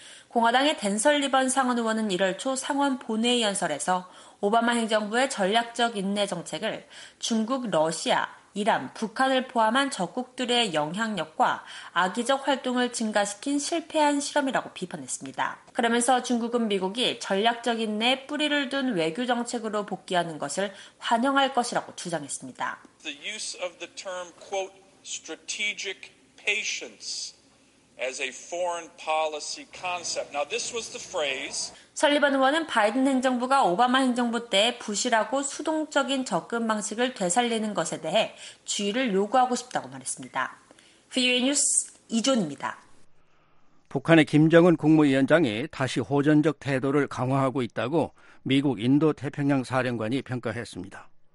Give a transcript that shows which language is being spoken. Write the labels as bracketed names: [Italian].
[Korean] 공화당의 댄 설리번 상원 의원은 1월 초 상원 본회의 연설에서 오바마 행정부의 전략적 인내 정책을 중국, 러시아, 이란, 북한을 포함한 적국들의 영향력과 악의적 활동을 증가시킨 실패한 실험이라고 비판했습니다. 그러면서 중국은 미국이 전략적 인내 뿌리를 둔 외교 정책으로 복귀하는 것을 환영할 것이라고 주장했습니다. [English] The use of the term, quote, strategic patience as a foreign policy concept. Now this was the phrase. [Korean] 설리번 의원은 바이든 행정부가 오바마 행정부 때 부실하고 수동적인 접근 방식을 되살리는 것에 대해 주의를 요구하고 싶다고 말했습니다. VOA 뉴스 이존입니다. 북한의 김정은 국무위원장이 다시 호전적 태도를 강화하고 있다고 미국 인도태평양 사령관이 평가했습니다.